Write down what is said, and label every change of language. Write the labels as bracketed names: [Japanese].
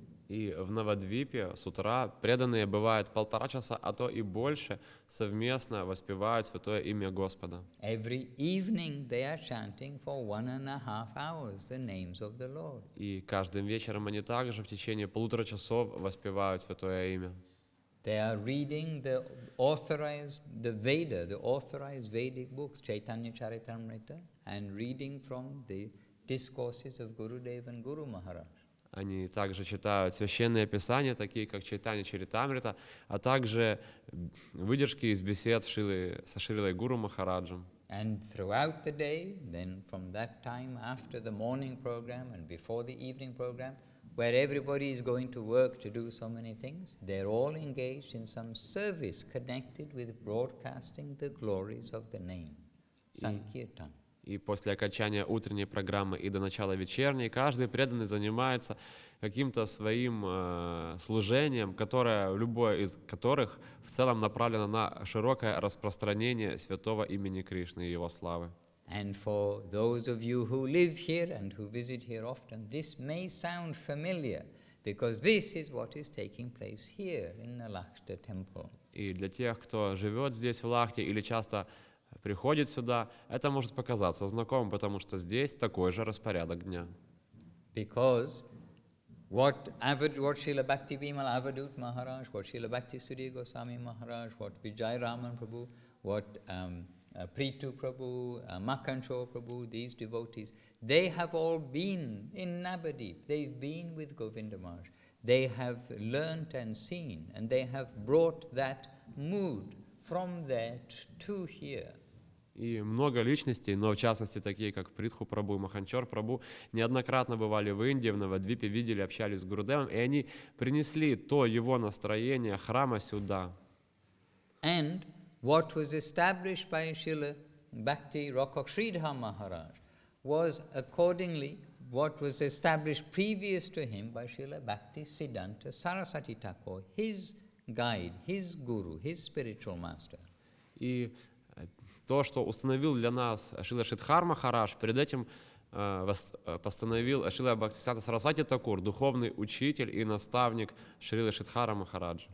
[Russian] И в Навадвипе с утра преданные бывают 1.5 часа, а то и больше, совместно воспевают святое имя Господа. [English] Every evening they are chanting for 1.5 hours the names of the Lord. [Russian] И каждым вечером они также в течение 1.5 часов воспевают святое имя. [English] They are reading the authorized, the Veda, the authorized Vedic books, Chaitanya Charitamrita, and reading from the discourses of Gurudev and Guru Maharaj. [Russian] Они также читают священные писания, такие как Чайтанья Чаритамрита, а также выдержки из бесед со Шрилой Гуру Махараджем. [English] And throughout the day, then from that time after the morning program and before the evening program, where everybody is going to work to do so many things, they're all engaged in some service connected with broadcasting the glories of the name, Sankirtan. [Russian] И после окончания утренней программы и до начала вечерней, каждый преданный занимается каким-то своим служением, которое, любое из которых в целом направлено на широкое распространение святого имени Кришны и его славы. [English] And for those of you who live here and who visit here often, this may sound familiar, because this is what is taking place here in the Lakhta temple. [Russian] И для тех, кто живет здесь в Лахте или часто приходит сюда, это может показаться знакомым, потому что здесь такой же распорядок дня. [English] Because what Srila Bhakti Bimala Avadhut Maharaj, what Srila Bhakti Sudhir Goswami Maharaj, what Vijay Raman Prabhu, what Preetu Prabhu, Makhanchor Prabhu, these devotees, they have all been in Nabadeep. They've been with Govinda Maharaj. They have learnt and seen, and they have brought that mood from there to here. [Russian] И много личностей, но в частности такие, как Притху Прабу и Маханчор Прабу, неоднократно бывали в Индии, в Навадвипе, видели, общались с Гурудевом, и они принесли то его настроение храма сюда. [English] And what was established by Srila Bhakti Rokok Sridhar Maharaj was accordingly what was established previous to him by Srila Bhakti Siddhanta Sarasati Thakur, his guide, his guru, his spiritual master. [Russian] И то, что установил для нас Шрила Шридхар Махарадж, перед этим постановил Шрила Бхактисиддханта Сарасвати Такур, духовный учитель и наставник Шрилы Шридхара Махараджа.